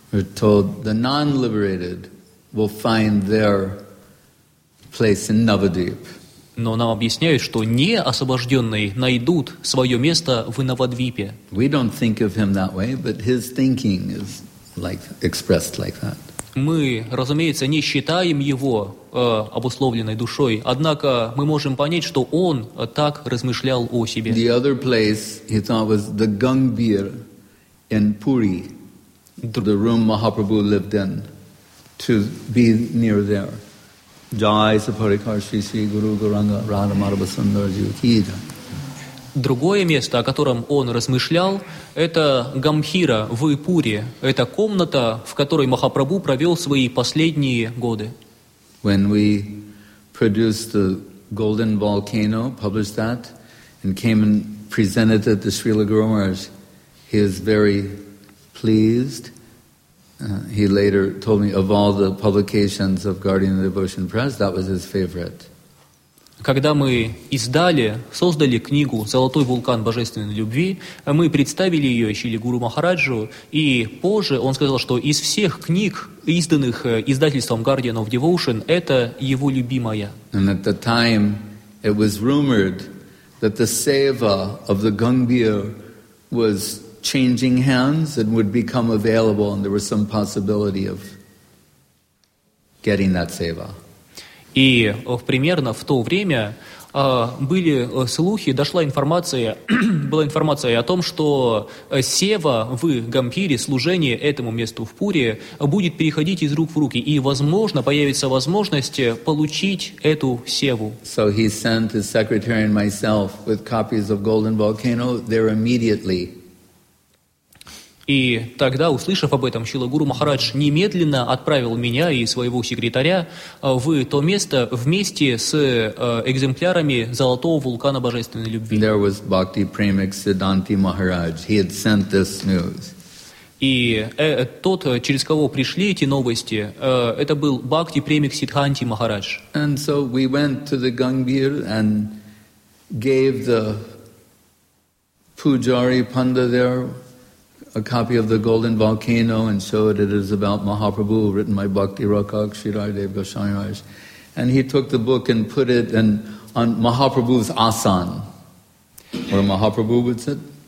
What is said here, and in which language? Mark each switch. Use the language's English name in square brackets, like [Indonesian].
[English] We're told the non-liberated will find their place in Navadvip. [Russian] Но нам объясняют, что неосвобожденные найдут свое место в Навадвипе. [English] We don't think of him that way, but his thinking is like expressed like that. [Russian] Мы, разумеется, не считаем его обусловленной душой, однако мы можем понять, что он так размышлял о себе. [English] The other place he thought was the Gangbir in Puri. The room Mahaprabhu lived in, to be near there. Jai Saparikar Shri Shri Guru Gauranga Radha Madhava Sundara Jyotija. [Russian] Другое место, о котором он размышлял, это Гамхира в Пуре. Это комната, в которой Махапрабху провел свои последние годы. [English] When we produced the Golden Volcano, published that, and came and presented it to Srila Guru Maharaj, he is very pleased. He later told me of all the publications of Guardian of Devotion Press, that was his favorite. [Russian] когда мы издали, создали книгу «Золотой вулкан божественной любви», мы представили ее Шили Гуру Махараджу, и позже он сказал, что из всех книг, изданных издательством Guardian of Devotion, это его любимая. [English] And at the time it was rumored that the seva of the Gambhir was changing hands and would become available, and there was some possibility of getting that seva. [Russian] И примерно в то время были слухи, дошла информация, была информация о том, что сева в Гамбире, служение этому месту в Пуре, будет переходить из рук в руки, и, возможно, появится возможность получить эту севу. [English] So he sent his secretary and myself with copies of Golden Volcano there immediately. [Russian] И тогда, услышав об этом, Шрила Гуру Махарадж немедленно отправил меня и своего секретаря в то место вместе с экземплярами «Золотого вулкана божественной любви». [English] There was Bhakti Premik Siddhanti Maharaj. He had sent this news. [Russian] И тот, через кого пришли эти новости, это был Бхакти Премик Сиддханти Махарадж. [English] And so we went to the Gambhir and gave the Pujari Panda there a copy of the Golden Volcano and showed it is about Mahaprabhu, written by Bhakti Rakak Shirai Dev Goswami Maharaj. And he took the book and put it in, on Mahaprabhu's asan, where Mahaprabhu would sit.